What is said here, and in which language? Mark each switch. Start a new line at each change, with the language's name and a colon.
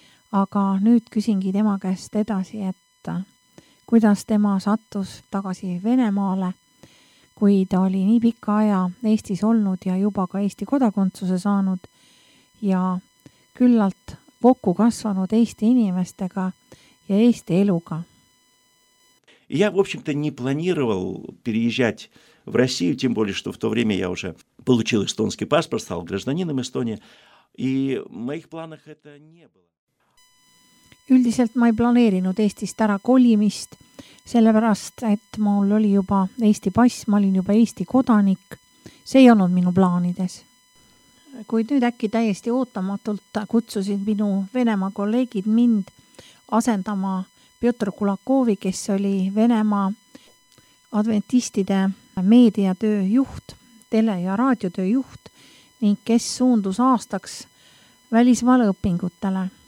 Estonian: Aga nüüd küsingi tema käest edasi, et kuidas tema sattus tagasi Venemaale, kui ta oli nii pika aja Eestis olnud ja juba ka Eesti kodakondsuse saanud ja küllalt kokku kasvanud Eesti inimestega ja Eesti eluga.
Russian: Я, в общем-то, не планировал переезжать в Россию, тем более, что в то время я уже получил эстонский паспорт, стал гражданином Эстонии, и в моих планах это не было.
Estonian: Üldiselt ma ei planeerinud Eestist ära kolimist, sellepärast, et mul oli juba Eesti pass, ma olin juba Eesti kodanik. See ei olnud minu plaanides. Kuid nüüd äkki täiesti ootamatult kutsusid minu Venema kolleegid mind asendama Piotr Kulakovi, kes oli Venemaa adventistide meediatööjuht, tele- ja raadiotööjuht ning kes suundus aastaks välismaale õpingutele.